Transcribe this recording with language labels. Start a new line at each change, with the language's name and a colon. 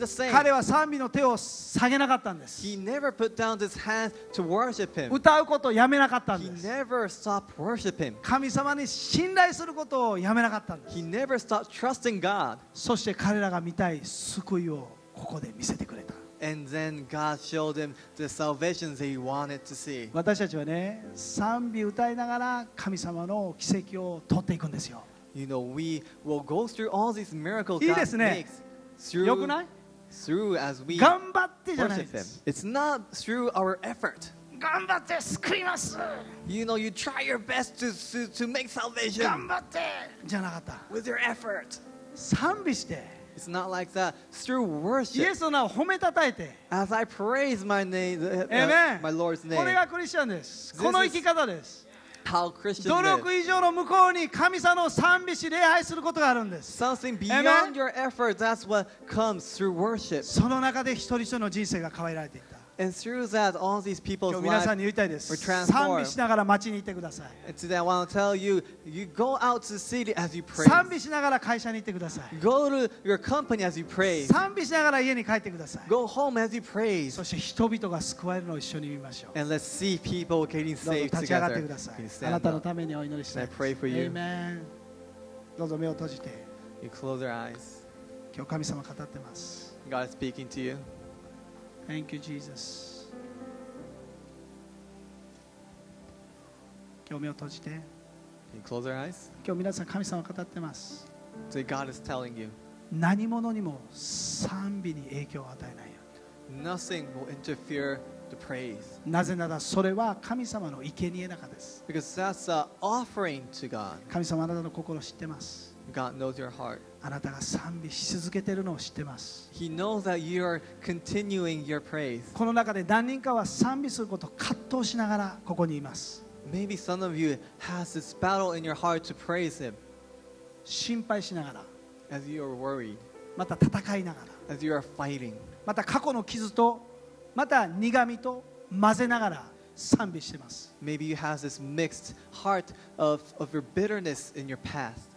Japanese: 彼は賛美の手を下げなかったんです。
English: he never put down his hands to worship him.
Japanese: 歌うことをやめなかったんです。
English: he never stopped worshiping.
Japanese: 神様に信頼することをやめなかったんです。
English: he never stopped trusting God.
Japanese: そして彼らが見たい救いをここで見せてくれた。
English: And then God showed them the salvation they wanted to see.
Japanese: 私たちはね、賛美歌いながら神様の奇跡を取っていくんですよ。
English: You know, we will go through all these miracles God makes.
Japanese: いいですね。よくない？
English: Through as we
Japanese: 頑張ってじゃないです。
English: It's not through our effort.
Japanese: 頑張って救います。
English: You know, you try your best to make salvation.
Japanese: 頑張ってじゃなかった。
English: With your effort.
Japanese: 賛美して。
English: It's not like that. It's through worship.
Japanese: イエスの名を褒めたたえて。
English: As I praise my name, my Lord's name.
Japanese: これがクリスチャンです。この生き方です。
English: How Christians live.
Japanese: 努力以上の向こうに神様を賛美し礼拝することがあるんです。
English: Something beyond your effort, that's what comes through worship.
Japanese: その中で一人一人の人生が変えられていった。
English: And through that, all these people's lives were transformed.
Japanese: 賛美しながら街にいてください。
English: And today I want to tell you, you go out to the city as you pray.
Japanese: 賛美しながら会社にいてください。
English: Go to your company as you pray.
Japanese: 賛美しながら家に帰ってください。
English: Go home as you pray.
Japanese: そして人々が救われるのを一緒に見ましょう。
English: And let's see people getting saved together.
Japanese: どうぞ立ち上がってください。あなたのためにお祈りしたい。
English: I pray for you.
Japanese: Amen. どうぞ目を閉じて。
English: You close your eyes.
Japanese: 今日神様語ってます。
English: God is speaking to you. Thank you, Jesus.
Japanese: 今日目を閉じて。
English: Can you close your eyes?
Japanese: 今日皆さん神様語ってます。
English: So God is telling you.
Japanese: 何者にも賛美に影響を与えないように。
English: Nothing will interfere the praise.
Japanese: なぜならそれは神様の生贄なかです。
English: Because that's an offering to God.
Japanese: 神様あなたの心を知ってます。
English: God knows your heart.
Japanese: あなたが賛美し続けてるのを知ってます。
English: He knows that you are continuing your praise.
Japanese: この中で何人かは賛美することを葛藤しながらここにいます。
English: Maybe some of you has this battle in your heart to praise Him.
Japanese: 心配しながら。
English: As you are worried.
Japanese: また戦いながら。
English: As you are fighting.
Japanese: また過去の傷とまた苦味と混ぜながら賛美してます。
English: Maybe you have this mixed heart of your bitterness in your past.